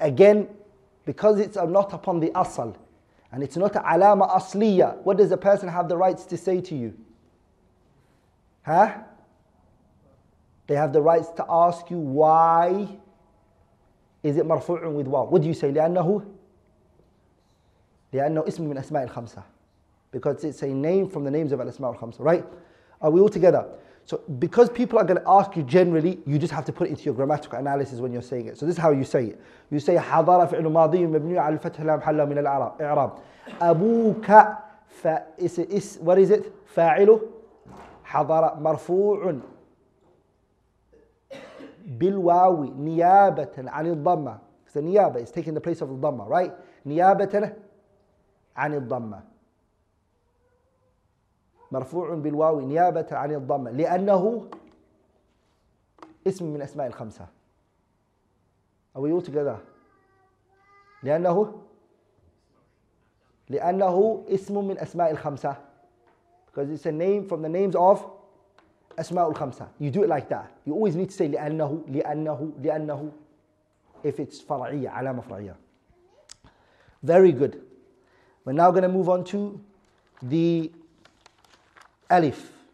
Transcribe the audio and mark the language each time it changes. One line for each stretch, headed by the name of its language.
English: Again, because it's not upon the asal, and it's not alama asliya, what does the person have the rights to say to you? Huh? They have the rights to ask you, why is it marfu'un with waw? What do you say?
Arabic: لأنه لأنه اسم من أسماء الخمسة.
English: Because it's a name from the names of Al-Asma' al-Khamsa, right? Are we all together? So because people are going to ask you generally, you just have to put it into your grammatical analysis when you're saying it. So this is how you say it. You say,
Arabic: حَضَرَ فِعْلُ مَاضِيٌ مَبْنِيُ عَلَى الْفَتْحِ لَمْ حَلَّ مِنَ الْعَرَبِ أَبُوكَ
English: What is it?
Arabic: فَاعِلُ حَضَرَ مَرْفُوعٌ بِالْوَاوِ نِيَابَةً عَنِ الضَّمَّةِ.
English: It's a niyaba, it's taking the place of the dhamma, right?
Arabic: نِيَابَةً عَنِ الضَّمَّةِ مرفوع بالواو نيابة عن الضمة لأنه اسم من أسماء الخمسة.
English: Are we all together?
Arabic: لأنه اسم من أسماء الخمسة.
English: Because it's a name from the names of
Arabic: أسماء الخمسة.
English: You do it like that. You always need to say لأنه if it's
Arabic: فرعية علامة فرعية.
English: Very good. We're now going to move on to the Alif.